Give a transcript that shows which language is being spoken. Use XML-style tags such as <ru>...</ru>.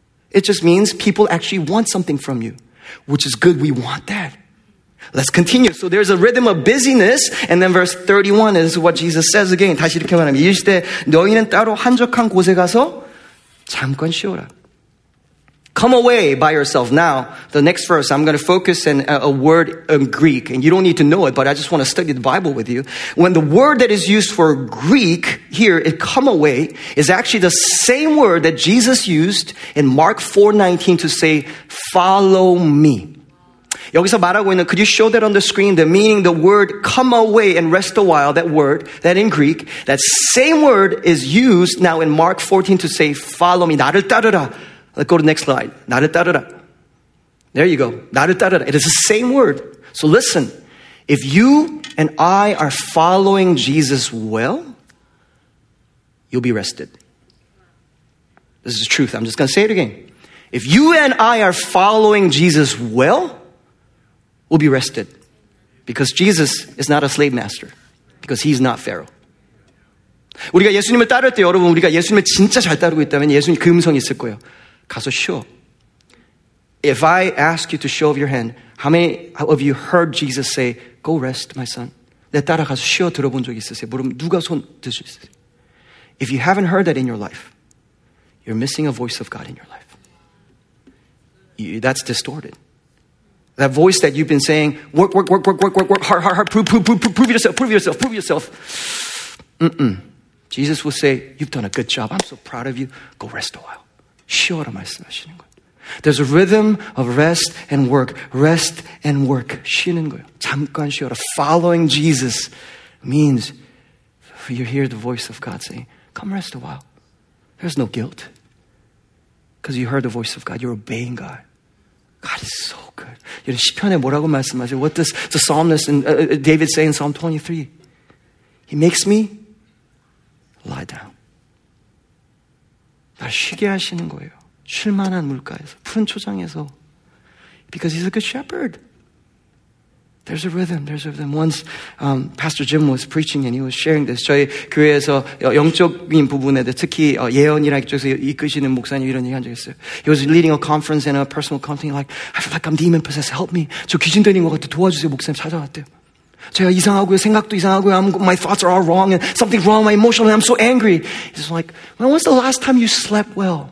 <en>It just means people actually want something from you, which is good. We want that. Let's continue. So there's a rhythm of busyness. And then verse 31 is what Jesus says again.</en> <ko>다시 이렇게 말합니다. 이럴 때 너희는 따로 한적한 곳에 가서 잠깐 쉬어라.</ko> <en>Come away by yourself. Now, the next verse, I'm going to focus on a word in Greek. And you don't need to know it, but I just want to study the Bible with you. When the word that is used for Greek here, it come away, is actually the same word that Jesus used in Mark 4:19 to say, follow me.</en> <ko>여기서 말하고 있는,</ko> <en>could you show that on the screen? The meaning, the word come away and rest a while, that word, that in Greek, that same word is used now in Mark 14 to say, follow me,</en> <ko>나를 따르라.</ko> <en>Let's go to the next slide.</en> <ko>나를 따르라.</ko> <en>There you go. 나를 따르라. It is the same word. So listen, if you and I are following Jesus well, you'll be rested. This is the truth. I'm just going to say it again. If you and I are following Jesus well, will be rested. Because Jesus is not a slave master. Because he's not Pharaoh.</en> <ko>우리가 예수님을 따를 때 여러분 우리가 예수님을 진짜 잘 따르고 있다면 예수님 그 음성이 있을 거예요. 가서 쉬어.</ko> <en>If I ask you to show of your hand, how many of you heard Jesus say, go rest, my son?</en> <ko>내 따라 가서 쉬어 들어본 적 있으세요? 물론 누가 손 들 수 있으세요?</ko> <en>If you haven't heard that in your life, you're missing a voice of God in your life. That's distorted. That voice that you've been saying, work, work, work, work, work, work, work, hard, hard, hard, prove yourself. Mm-mm. Jesus will say, you've done a good job. I'm so proud of you. Go rest a while.</en> <ko>쉬어라 말씀하시는 거예요.</ko> <en>There's a rhythm of rest and work. Rest and work.</en> <ko>쉬는 거예요. 잠깐 쉬어라.</ko> <en>Following Jesus means you hear the voice of God saying, come rest a while. There's no guilt. Because you heard the voice of God. You're obeying God. God is so good.</en> <ko>여러분 시편에 뭐라고 말씀하세요?</ko> <en>What does the psalmist and David say in Psalm 23? He makes me lie down.</en> <ko>날 쉬게 하시는 거예요. 쉴만한 물가에서, 푸른 초장에서.</ko> <en>Because he's a good shepherd. There's a rhythm. There's a rhythm. Once Pastor Jim was preaching and he was sharing this.</en> <ko>저희 교회에서 영적인 부분에 대해 특히 예언이랑 쪽에서 이끄시는 목사님 이런 얘기 한 적 있어요.</ko> <en>He was leading a conference and a personal conference. Like, I feel like I'm demon possessed. Help me.</en> <ko>저 귀신 들린 것 같아. 도와주세요. 목사님 찾아왔대요. 제가 이상하고요. 생각도 이상하고요.</ko> <en>My thoughts are all wrong and something's wrong with my emotion and I'm so angry. He's like, when was the last time you slept well?</en>